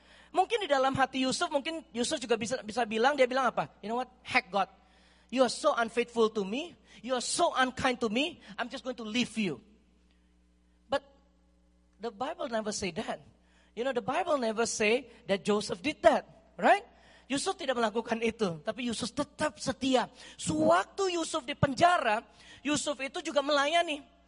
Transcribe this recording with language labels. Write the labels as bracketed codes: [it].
[id] Mungkin di dalam hati Yusuf, mungkin Yusuf juga bisa bilang, dia bilang apa? [en] You know what? Heck God. You are so unfaithful to me. You are so unkind to me. I'm just going to leave you. The Bible never say that. You know, the Bible never say that Joseph did that, right? [id] Yusuf tidak melakukan itu, tapi Yusuf tetap setia. Sewaktu Yusuf di penjara, Yusuf itu juga melayani.